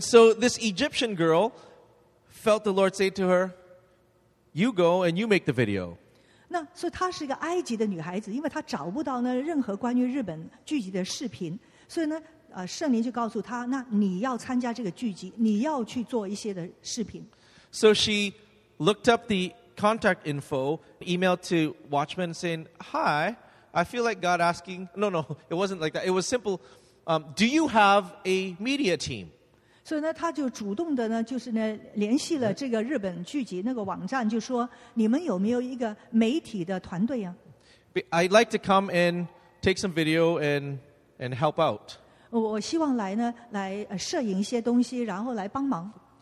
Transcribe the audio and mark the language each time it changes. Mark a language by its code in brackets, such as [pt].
[en] so this Egyptian girl felt the Lord say to her, "You go and you make the video." [zh] 那所以她是一个埃及的女孩子，因为她找不到呢任何关于日本聚集的视频，所以呢，圣灵就告诉她，那你要参加这个聚集，你要去做一些的视频。So [en] she looked up the contact info, emailed to Watchman saying, "Hi. I feel like God asking." No, it wasn't like that. It was simple. Do you have a media team? [zh] So, 他就主动的呢，就是呢，联系了这个日本聚集那个网站，就说你们有没有一个媒体的团队呀？ [en] I'd like to come and take some video and help out. [zh] 我希望来呢，来摄影一些东西，然后来帮忙。